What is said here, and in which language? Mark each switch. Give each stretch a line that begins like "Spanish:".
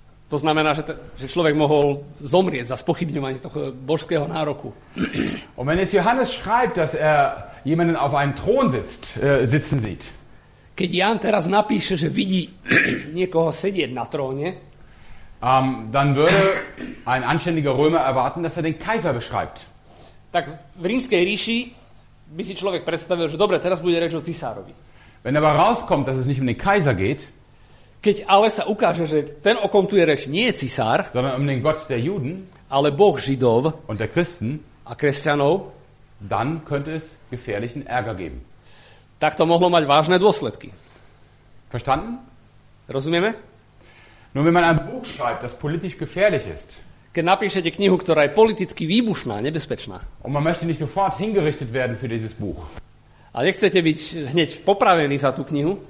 Slovak: To znamená, že človek mohol zomrieť za spochybňovanie toho božského nároku.
German: Und wenn jetzt Johannes schreibt, dass er jemanden auf einem Thron sitzt, sitzen sieht.
Slovak: Keď Jan teraz napíše, že vidí niekoho sedieť na tróne,
German: dann würde ein anständiger Römer erwarten, dass er den Kaiser beschreibt.
Slovak: Tak v rímskej ríši by si človek predstavil, že dobre, teraz bude reč o cisárovi.
German: Wenn aber rauskommt, dass es nicht um den Kaiser geht,
Slovak: keď ale sa ukáže, že ten, o kom tu je reč, nie je cisár,
German: sondern um den Gott der Juden,
Slovak: ale Boh Židov
German: und der Christen,
Slovak: a kresťanov,
German: dann könnte es gefährlichen Ärger geben.
Slovak: Tak to mohlo mať vážne dôsledky.
German: Verstanden?
Slovak: Rozumieme?
German: Nur wenn man ein Buch schreibt, das politisch gefährlich ist,
Slovak: keď napíšete knihu, ktorá je politicky výbušná, nebezpečná,
German: und man möchte nicht sofort hingerichtet werden für dieses Buch,
Slovak: a nechcete byť hneď popravený za tú knihu,